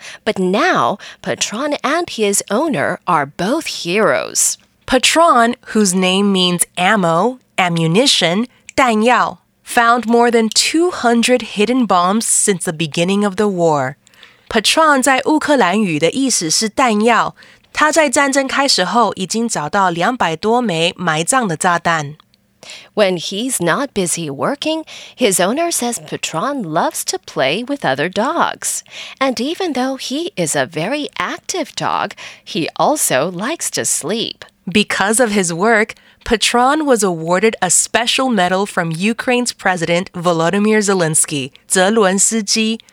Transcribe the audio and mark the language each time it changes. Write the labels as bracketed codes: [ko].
[en] But now, Patron and his owner are both heroes. Patron, whose name means ammo, ammunition, 弹药, found more than 200 hidden bombs since the beginning of the war. [zh] Patron 在乌克兰语的意思是弹药。他在战争开始后已经找到200多枚埋葬的炸弹。 [en] When he's not busy working, his owner says Patron loves to play with other dogs. And even though he is a very active dog, he also likes to sleep. Because of his work, Patron was awarded a special medal from Ukraine's President Volodymyr Zelensky, 泽伦斯基。